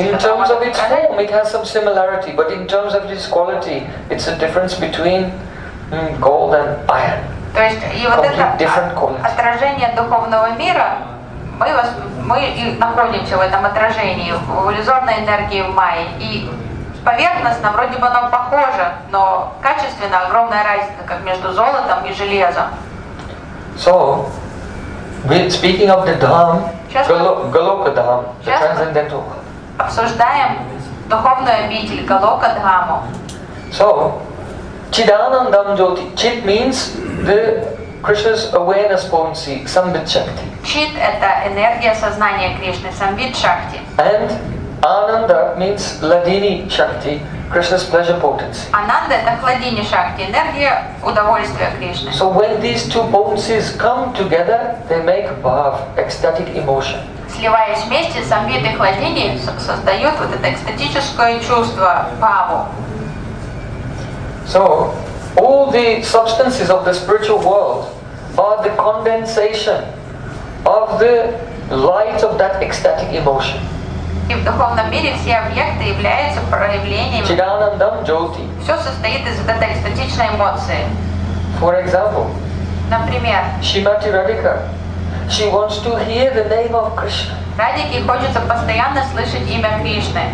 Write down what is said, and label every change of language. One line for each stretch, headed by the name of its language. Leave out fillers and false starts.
English: In terms of its form, it has some similarity, but in terms of its quality, it's a difference between gold and iron.
Russian: То есть и вот это отражение духовного мира, мы находимся в этом отражении, в иллюзорной энергии в Майе. И поверхностно, вроде бы оно похоже, но качественно огромная разница, как между золотом и железом.
English: So, speaking of the Dhamma, Галока Дхамма, the transcendental world.
Russian: Обсуждаем духовную обитель Галока Дхамму.
English: So,
Sanskrit: Чидананандам Джоти.
English: Чит means the Krishna's awareness potency, Самвит Шакти.
Russian: Чит — это энергия сознания Кришны, Самвит Шакти.
English: And Ananda means Ladini Shakti, Krishna's pleasure potency.
Russian: Ananda — это Хладини Шакти, энергия удовольствия Кришны.
English: So when these two potencies come together, they make bhav, ecstatic emotion.
Russian: Сливаясь вместе, Самвит и Хладини создают вот это экстатическое чувство, бхаву.
English: So all the substances of the spiritual world are the condensation of the light of that ecstatic emotion.
Russian: И в духовном мире все объекты являются проявлением.
Sanskrit: Чидананандам Джоти.
Russian: Все состоит из вот этой экстатичной эмоции.
English: For example.
Russian: Например. Шимати Радика.
English: She wants to hear the name of Krishna.
Russian: Радике хочется постоянно слышать имя Кришны.